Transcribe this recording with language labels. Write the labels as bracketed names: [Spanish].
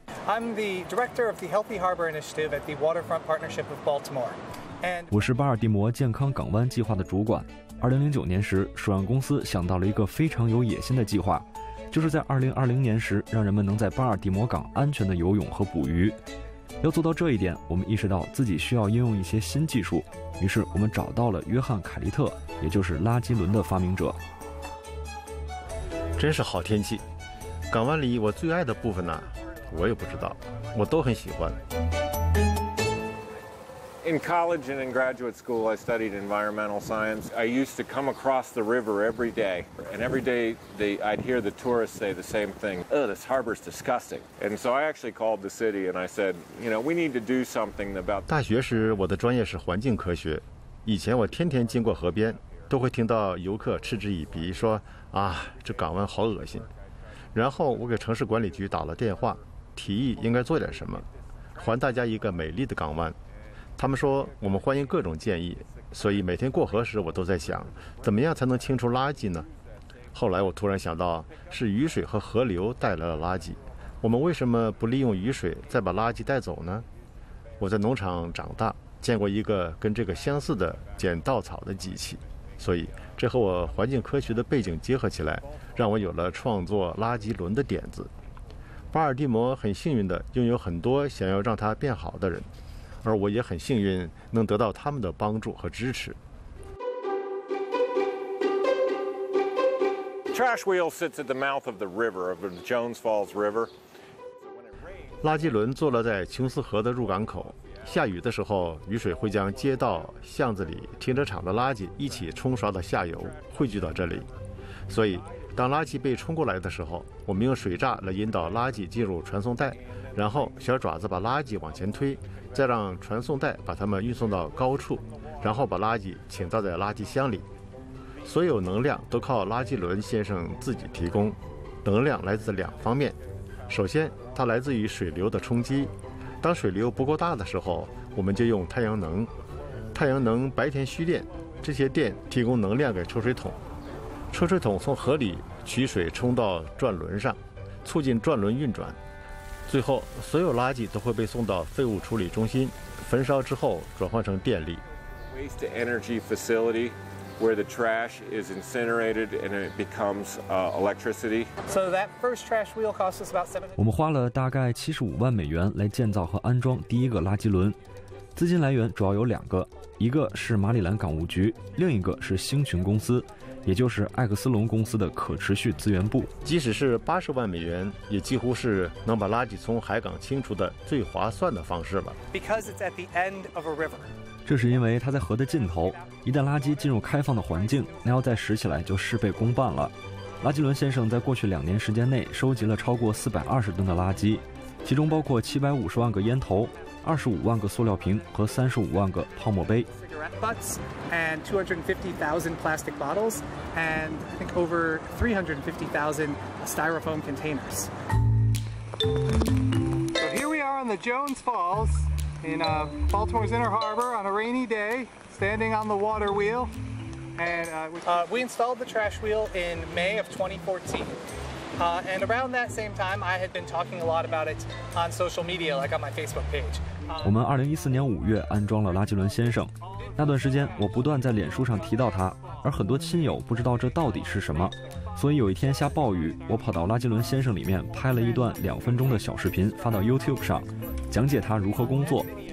[English] I'm the director of the Healthy Harbor Initiative at the Waterfront Partnership of Baltimore. [Chinese] 我是巴尔的摩健康港湾计划的主管。2009年时，首阳公司想到了一个非常有野心的计划，就是在2020年时，让人们能在巴尔的摩港安全的游泳和捕鱼。要做到这一点，我们意识到自己需要应用一些新技术，于是我们找到了约翰·凯利特，也就是拉吉伦的发明者。真是好天气，港湾里我最爱的部分呢，我也不知道，我都很喜欢。 [English] In college and in graduate school, I studied environmental science. I used to come across the river every day, and every day I'd hear the tourists say the same thing. Oh, this harbor's disgusting. And so I actually called the city and I said, you know, we need to do something about. [Chinese] 大学时我的专业是环境科学，以前我天天经过河边，都会听到游客嗤之以鼻，说啊，这港湾好恶心。然后我给城市管理局打了电话，提议应该做点什么，还大家一个美丽的港湾。他们说我们欢迎各种建议，所以每天过河时我都在想，怎么样才能清除垃圾呢？后来我突然想到，是雨水和河流带来了垃圾，我们为什么不利用雨水再把垃圾带走呢？我在农场长大，见过一个跟这个相似的剪稻草的机器，所以这和我环境科学的背景结合起来，让我有了创作垃圾轮的点子。巴尔的摩很幸运地拥有很多想要让它变好的人，而我也很幸运能得到他们的帮助和支持。 [English] Trash wheel sits at the mouth of the river, of the Jones Falls River. [Chinese] 垃圾轮坐落在琼斯河的入港口，下雨的时候，雨水会将街道、巷子里、停车场的垃圾一起冲刷到下游，汇聚到这里。所以当垃圾被冲过来的时候，我们用水闸来引导垃圾进入传送带，然后小爪子把垃圾往前推，再让传送带把它们运送到高处，然后把垃圾倾倒在垃圾箱里。所有能量都靠垃圾轮先生自己提供，能量来自两方面，首先它来自于水流的冲击，当水流不够大的时候，我们就用太阳能，太阳能白天蓄电，这些电提供能量给抽水桶，抽水桶从河里取水冲到转轮上，促进转轮运转，最后所有垃圾都会被送到废物处理中心，焚烧之后转换成电力。 [English] Waste energy facility where the trash is incinerated and it becomes electricity. So that first trash wheel costs us about [Chinese] 我们花了大概75万美元来建造和安装第一个垃圾轮，资金来源主要有两个，一个是马里兰港务局，另一个是星群公司，也就是艾克斯隆公司的可持续资源部。即使是80万美元，也几乎是能把垃圾从海港清除的最划算的方式了。 [English] Because it's at the end of a river. [Chinese] 这是因为它在河的尽头，一旦垃圾进入开放的环境，那要再拾起来就事倍功半了。拉吉伦先生在过去2年时间内收集了超过420吨的垃圾，其中包括750万个烟头、25万个塑料瓶和35万个泡沫杯。 [English] Butts and 250,000 plastic bottles, and I think over 350,000 styrofoam containers. So here we are on the Jones Falls in Baltimore's Inner Harbor on a rainy day, standing on the water wheel. And we installed the trash wheel in May of 2014. And around that same time, I had been talking a lot about it on social media, like on my Facebook page. [Chinese] 我们2014年五月安装了拉吉伦先生。那段时间我不断在脸书上提到他，而很多亲友不知道这到底是什么，所以有一天下暴雨，我跑到垃圾轮先生里面拍了一段2分钟的小视频发到 YouTube 上，讲解他如何工作。